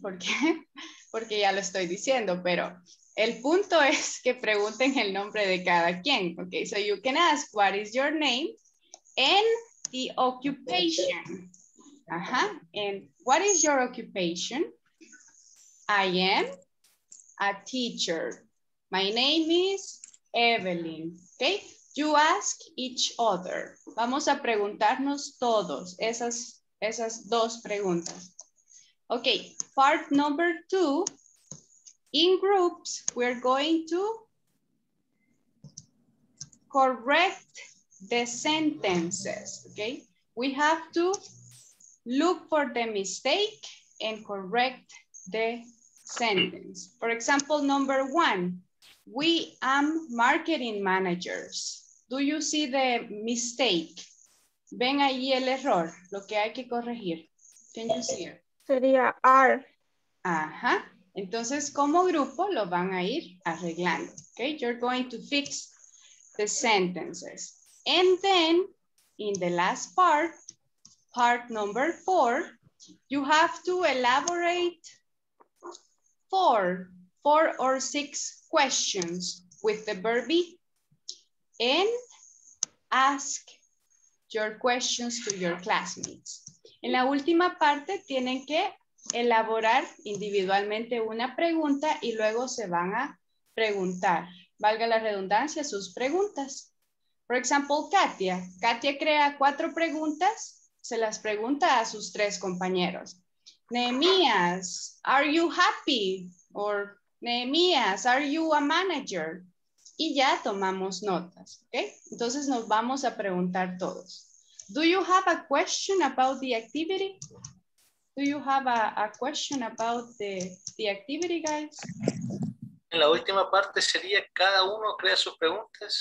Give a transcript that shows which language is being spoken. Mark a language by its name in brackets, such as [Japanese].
[Spanish] Porque ya lo estoy diciendo, pero el punto es que pregunten el nombre de cada quien. [English] Okay, so you can ask, what is your name? And the occupation. Ajá. And what is your occupation? I am a teacher. My name is Evelyn. Okay, you ask each other. [Spanish] Vamos a preguntarnos todos esas dos preguntas. [English] Okay, part number two, in groups, we're going to correct the sentences, okay? We have to look for the mistake and correct the sentence. For example, number one, we am marketing managers. Do you see the mistake? [Spanish] Ven ahí el error, lo que hay que corregir. [English] Can you see it? [Spanish] Sería are. Ajá. Entonces, como grupo lo van a ir arreglando. [English] Okay, you're going to fix the sentences. And then, in the last part, part number four, you have to elaborate four or six questions with the verb be and ask your questions to your classmates. [Spanish] En la última parte, tienen que elaborar individualmente una pregunta y luego se van a preguntar, valga la redundancia, sus preguntas. [English] For example, [Spanish] Katia. Katia crea cuatro preguntas, se las pregunta a sus tres compañeros. [English] Nehemías, are you happy? Or Nehemías, are you a manager? [Spanish] Y ya tomamos notas, okay? Entonces nos vamos a preguntar todos. [English] Do you have a question about the activity? Do you have a question about the activity, guys? [Spanish] En la última parte sería cada uno crea sus preguntas.